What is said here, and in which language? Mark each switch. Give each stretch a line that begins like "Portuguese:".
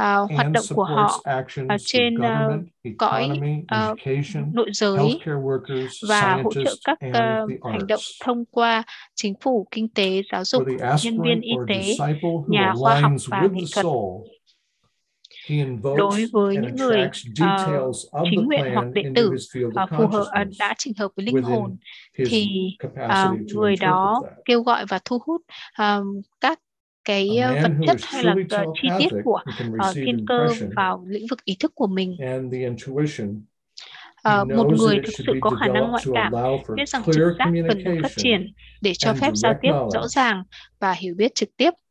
Vietnamese: Hoạt động của họ trên cõi nội giới và hỗ trợ các hành động thông qua chính phủ, kinh tế, giáo dục, nhân viên y tế, nhà khoa học và nghệ thuật.
English: He invokes and attracts details of the plan into his field of consciousness within his capacity to interpret that.
Vietnamese: Kêu gọi và thu hút các cái vật chất hay là chi tiết của thiên cơ vào lĩnh vực ý thức của mình.
English: And the intuition.
Vietnamese: Một người thực sự có khả năng ngoại cảm, biết rằng trực giác cần được phát triển để cho phép giao tiếp rõ ràng và hiểu biết trực tiếp.